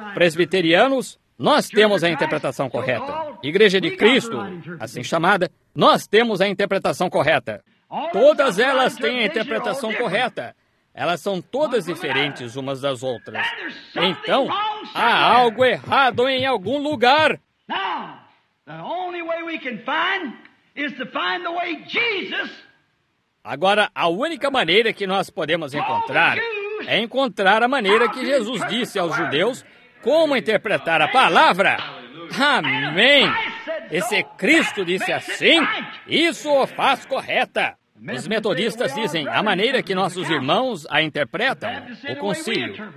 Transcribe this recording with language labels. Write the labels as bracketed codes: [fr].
[pt] Presbiterianos, nós temos a interpretação correta. Igreja de Cristo, assim chamada, nós temos a interpretação correta. Todas elas têm a interpretação correta. Elas são todas diferentes umas das outras. Então, há algo errado em algum lugar. [en] Now, the only way we can find is to find the way Jesus [pt] Agora, a única maneira que nós podemos encontrar é encontrar a maneira que Jesus disse aos judeus como interpretar a palavra. Amém! Esse Cristo disse assim, isso o faz correta. Os metodistas dizem a maneira que nossos irmãos a interpretam, o concílio.